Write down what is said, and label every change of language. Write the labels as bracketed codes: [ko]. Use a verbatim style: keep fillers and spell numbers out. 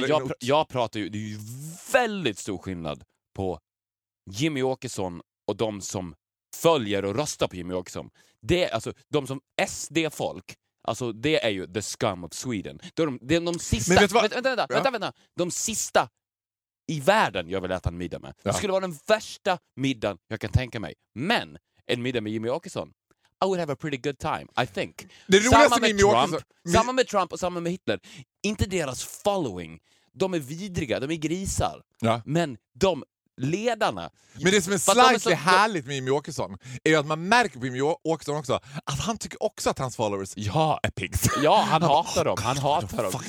[sv] men jag, pr- jag pratar ju, det är ju väldigt stor skillnad på Jimmy Åkesson och de som följer och röstar på Jimmy Åkesson. Det är alltså de som S D-folk. Alltså det är ju [en] the scum of Sweden. [sv] Det är de, det är de sista... Vänta, vänta, vänta, ja. vänta, vänta. De sista i världen jag vill äta en middag med. Ja. Det skulle vara den värsta middagen jag kan tänka mig. Men en middag med Jimmy Åkesson. [en] I would have a pretty good time, I think. [sv] Det roligaste med Jimmy Åkesson... Med... Samma med Trump och samma med Hitler. Inte deras following. De är vidriga, de är grisar. Ja. Men de... ledarna. Men det som är slightly så... härligt med Jimmy Åkesson är ju att man märker på Jimmy Åkesson också att han tycker också att hans followers ja, är pigs. Ja, han, han hatar dem. Han hatar dem.